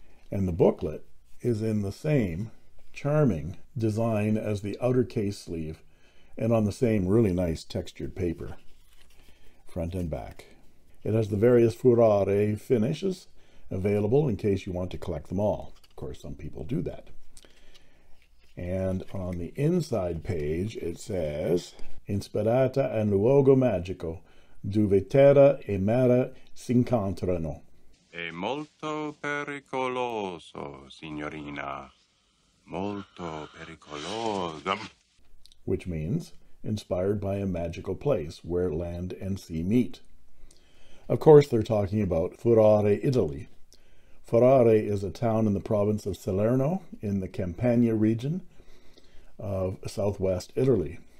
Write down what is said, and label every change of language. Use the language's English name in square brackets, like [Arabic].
[English] And the booklet is in the same charming design as the outer case sleeve and on the same really nice textured paper, front and back. It has the various Furore finishes available in case you want to collect them all. Of course, some people do that. And on the inside page, it says, [Italian] Inspirata in luogo magico, dove terra e mare s'incontrano. È molto pericoloso, signorina. Molto pericoloso. [English] Which means, inspired by a magical place where land and sea meet. Of course, they're talking about Furore, Italy. Furore is a town in the province of Salerno in the Campania region of southwest Italy.